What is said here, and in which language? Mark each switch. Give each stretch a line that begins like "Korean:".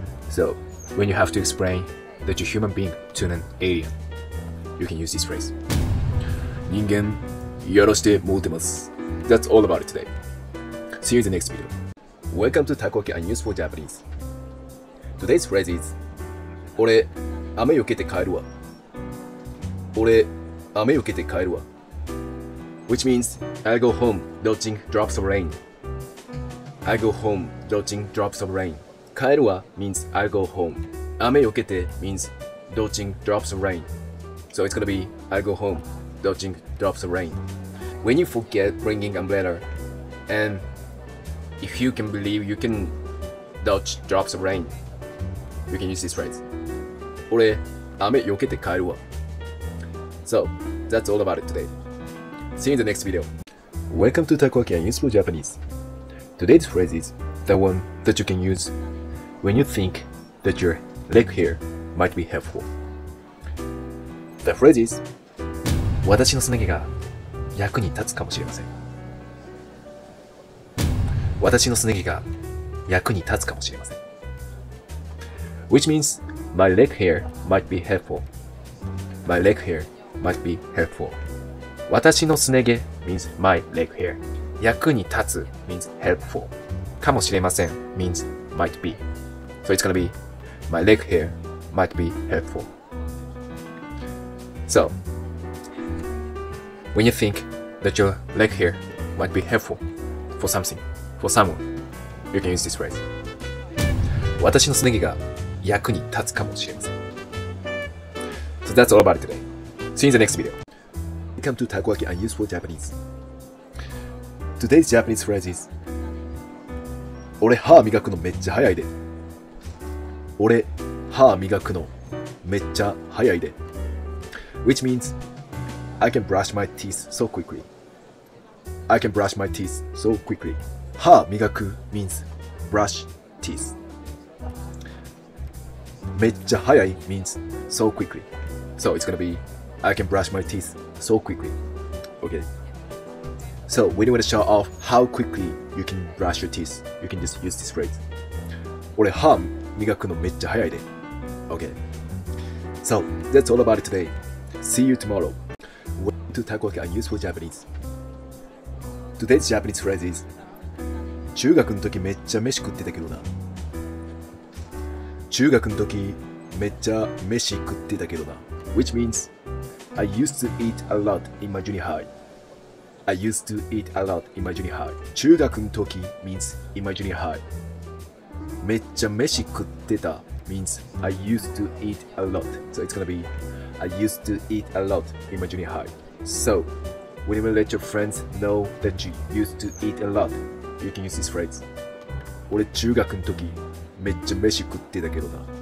English: So when you have to explain that you're a human being to an alien, you can use this phrase.
Japanese: 人間やらしてもうてます
English: That's all about it today. See you in the next video. Welcome to Takoyaki and Useful Japanese. Today's phrase is
Japanese: 俺雨よけて帰るわ俺雨よけて帰るわ
English: Which means I go home dodging drops of rain. I go home dodging drops of rain. 帰るわ means I go home. 雨よけて means dodging drops of rain. So it's gonna be I go home dodging drops of rain. When you forget bringing umbrella, and if you can believe you can dodge drops of rain, you can use this phrase.
Japanese: 俺雨よけて帰るわ
English: So, that's all about it today. See you in the next video. Welcome to Takoyaki and Useful Japanese. Today's phrase is the one that you can use when you think that your leg hair might be helpful. The phrase is
Japanese: 私のすね毛が役に立つかもしれません。私のすね毛が役に立つかもしれません。
English: Which means my leg hair might be helpful. My leg hairMight be helpful.
Japanese: 私のすね毛
English: means my leg hair.
Japanese: 役に立つ
English: means helpful.
Japanese: かもしれません
English: means might be. So it's gonna be my leg hair might be helpful. So, when you think that your leg hair might be helpful, for something, for someone, you can use this phrase.
Japanese: 私のすね毛が役に立つかもしれません。
English: So that's all about it today. See you in the next video. Welcome to Takoyaki and Useful Japanese. Today's Japanese phrase is
Japanese: 俺歯磨くのめっちゃ早いで。俺歯磨くのめっちゃ早いで。
English: Which means I can brush my teeth so quickly. I can brush my teeth so quickly. 歯磨く means brush teeth. めっちゃ早い means so quickly. So it's gonna be I can brush my teeth so quickly. Okay. So we need to show off how quickly you can brush your teeth. You can just use this phrase.
Japanese: 俺歯磨くのめっちゃ早いで。
English: Okay. So that's all about it today. See you tomorrow. Welcome to Takoyaki and Useful Japanese. Today's Japanese phrase is
Japanese: 中学の時めっちゃ飯食ってたけどな。中学の時めっちゃ飯食ってたけどな。
English: Which means I used to eat a lot in my junior high. I used to eat a lot in my junior high. 中学の時 means in my junior high. めっちゃ飯食ってた means I used to eat a lot. So it's gonna be I used to eat a lot in my junior high. So when you let your friends know that you used to eat a lot, you can use this phrase.
Japanese: 俺中学の時めっちゃ飯食ってたけどな。